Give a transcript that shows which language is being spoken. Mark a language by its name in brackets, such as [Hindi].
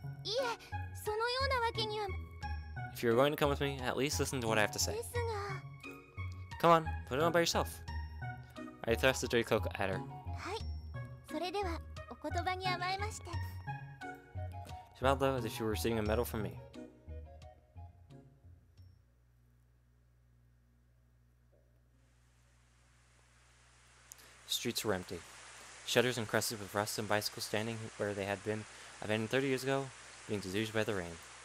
[Japanese] いえ、そのようなわけには。 [English] If you're going to come with me, at least listen to what I have to say. Come on, put it on by yourself. I thrust the dirty cloak at her. [Japanese] はい、それではお言葉に甘えまして。 [English] She bowed low as if she were receiving a medal from me. Streets were empty. Shutters encrusted with rust and bicycles standing where they had been abandoned 30 years ago, being deluged by the rain.